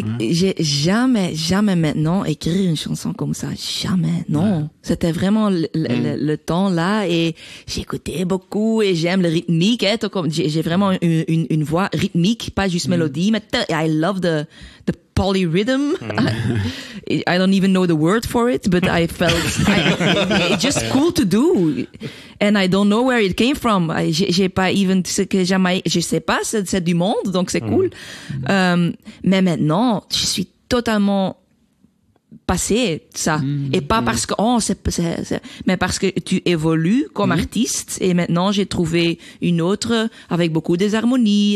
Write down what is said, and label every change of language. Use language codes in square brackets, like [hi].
[fr] J'ai jamais, jamais maintenant écrit une chanson comme ça. Jamais, non. Ouais. C'était vraiment le temps là et j'écoutais beaucoup et j'aime le rythmique. Hein, comme, j'ai vraiment une voix rythmique, pas juste mélodie, mais [en] I love the polyrhythm. I don't even know the word for it, but I felt it's just cool to do. And I don't know where it came from. [fr] J'ai pas [en] even [fr] ce que jamais, je sais pas, c'est du monde, donc c'est cool. Mais maintenant, je suis totalement passée de ça. Et pas parce que, oh, c'est, mais parce que tu évolues comme artiste. Et maintenant, j'ai trouvé une autre avec beaucoup d'harmonie.